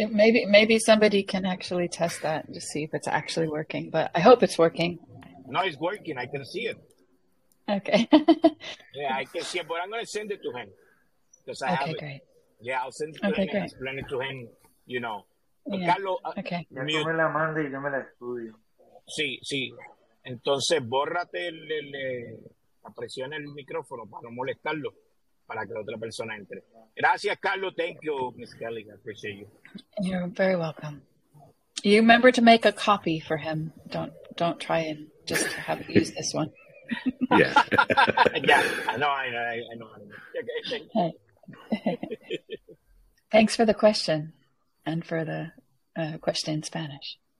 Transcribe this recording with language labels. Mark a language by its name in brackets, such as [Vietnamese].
[English] Maybe somebody can actually test that and just see if it's actually working, but I hope it's working. No, it's working. I can see it. Okay. Yeah, I can see it, but I'm going to send it to him. Because I okay, have great. It. Yeah, I'll send it to him and explain it to him, you know. Yeah. Carlos, okay. [Spanish] Yo me la mando y yo me la estudio. Sí, sí. Entonces, bórrate el presiona el micrófono para no molestarlo para que la otra persona entre. Gracias, Carlos. [English] Thank you, Miss Kelly. I appreciate you. You're very welcome. You remember to make a copy for him. Don't try and just have it use this one. Yeah. Yeah. I know. Okay, thanks for the question and for the question in Spanish.